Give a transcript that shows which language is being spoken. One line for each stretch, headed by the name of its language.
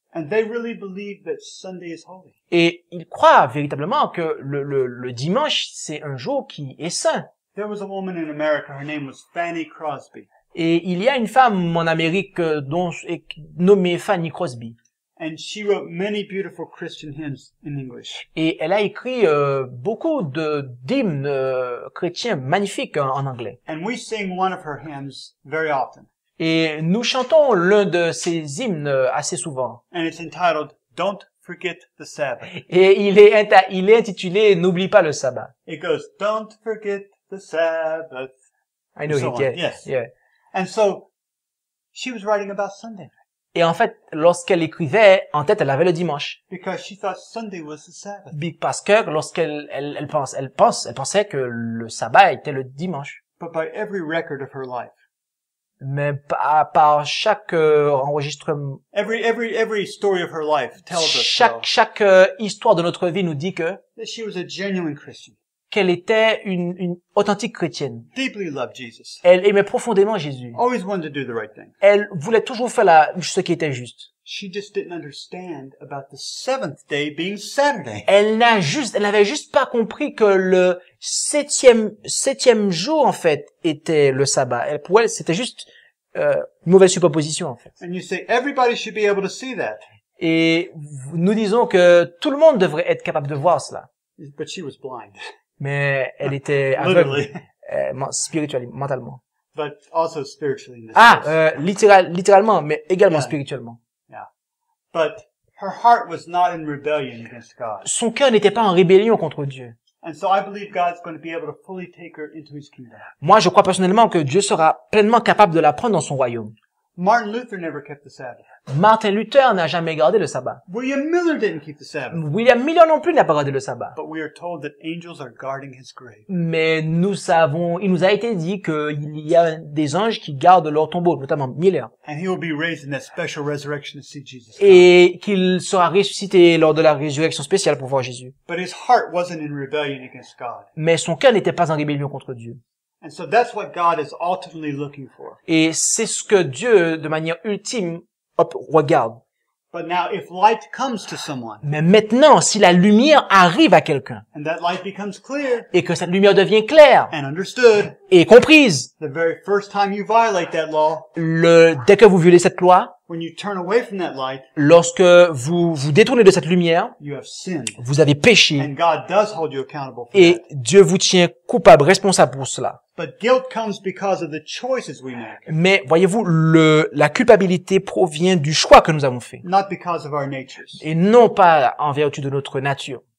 English: And they really believe that Sunday is holy.
French: Et ils croient véritablement que le dimanche c'est un jour qui est saint.
English: There was a woman in America, her name was Fanny Crosby.
French: Et il y a une femme en Amérique nommée Fanny Crosby.
English: And she wrote many beautiful Christian hymns in English.
French: Et elle a écrit beaucoup d'hymnes chrétiens magnifiques en anglais.
English: And we sing one of her hymns very often.
French: Et nous chantons l'un de ses hymnes assez souvent.
English: And it's entitled Don't Forget the Sabbath.
French: Et il est intitulé N'oublie pas le sabbat.
English: It goes Don't Forget the Sabbath. I know it. Yes. Yeah. And so she was writing about Sunday.
French: Et en fait, lorsqu'elle écrivait, en tête, elle avait le dimanche.
English: Because she thought Sunday was the Sabbath.
French: Parce que lorsqu'elle pensait que le sabbat était le dimanche.
English: But by every record of her life.
French: Mais par chaque enregistrement.
English: Every story of her life tells us.
French: Chaque histoire de notre vie nous dit que.
English: That she was a genuine Christian.
French: Qu'elle était une authentique chrétienne.
English: Deeply loved Jesus.
French: Elle aimait profondément Jésus.
English: Always wanted to do the right thing.
French: Elle voulait toujours faire ce qui était juste.
English: She just didn't understand about the seventh day being Saturday.
French: Elle n'avait juste pas compris que le septième jour, en fait, était le sabbat. Pour elle, c'était juste une mauvaise superposition, en fait.
English: And you say, everybody should be able to see that.
French: Et nous disons que tout le monde devrait être capable de voir cela.
English: But she was blind.
French: Mais elle était aveugle, spirituellement, mentalement.
English: But also spiritually.
French: Littéralement, mais également spirituellement. Yeah.
English: But her heart was not in rebellion against God.
French: Son cœur n'était pas en rébellion contre Dieu.
English: And so I believe God's going to be able to fully take her into His kingdom.
French: Moi, je crois personnellement que Dieu sera pleinement capable de la prendre dans son royaume.
English: Martin Luther never kept the Sabbath.
French: Martin Luther n'a jamais gardé le sabbat.
English: William Miller didn't keep the Sabbath.
French: William Miller non plus n'a pas gardé le sabbat.
English: But we are told that angels are guarding his grave.
French: Mais il nous a été dit qu'il y a des anges qui gardent leur tombeau, notamment Miller.
English: And he will be raised in that special resurrection to see Jesus.
French: Et qu'il sera ressuscité lors de la résurrection spéciale pour voir Jésus.
English: But his heart wasn't in rebellion against God.
French: Mais son cœur n'était pas en rébellion contre Dieu.
English: And so that's what God is ultimately looking for.
French: Et c'est ce que Dieu, de manière ultime, regarde.
English: But now, if light comes to someone,
French: mais maintenant, si la lumière arrive à quelqu'un,
English: and that light becomes clear,
French: et que cette lumière devient claire,
English: and understood,
French: et comprise,
English: the very first time you violate that law,
French: dès que vous violez cette loi,
English: when you turn away from that light,
French: lorsque vous vous détournez de cette lumière,
English: you have sinned,
French: vous avez péché,
English: and God does hold you accountable for
French: et
English: that.
French: Dieu vous tient coupable, responsable pour cela.
English: But guilt comes because of the choices we make.
French: Mais voyez-vous, la culpabilité provient du choix que nous avons fait.
English: Not because of our natures.
French: Et non pas en vertu de notre nature.